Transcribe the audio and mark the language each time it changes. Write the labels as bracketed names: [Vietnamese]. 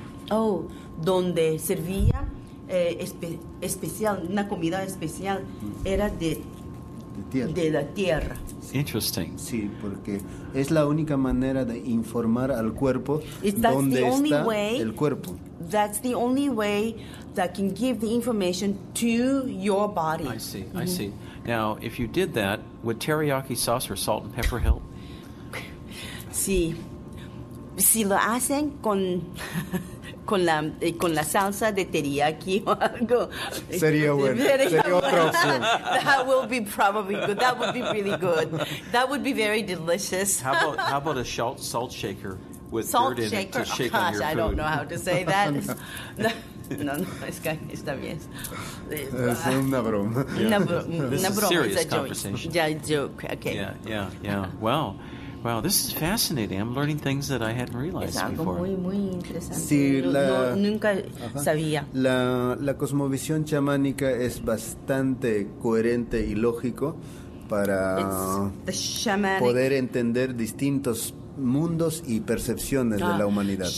[Spanish] Oh, donde servía especial, una comida especial, era de la tierra. [English] Interesting. [Spanish] Sí, porque es la única manera de informar al cuerpo dónde está [English] way, [Spanish] el cuerpo. [English] That's the only way that can give the information to your body. I see, mm-hmm. I see. Now, if you did that, would teriyaki sauce or salt and pepper help? [Spanish] Sí. Si lo hacen con... con la salsa de teriyaki o algo. Sería bueno. Sería otra opción. [English] That will be probably good. That would be really good. That would be very delicious. How about a salt shaker with salt dirt shaker. In it to shake oh, on gosh, your food? I don't know how to say that. No, [Spanish] es que está bien. Es una broma. [English] Yeah. This is a serious conversation. Yeah, joke. Okay. Yeah. Well. Wow, this is fascinating. I'm learning things that I hadn't realized before. [Spanish] Es algo muy, muy interesante. Sí, nunca sabía. La cosmovisión chamánica es bastante coherente y lógico para poder entender distintos mundos y percepciones de la humanidad.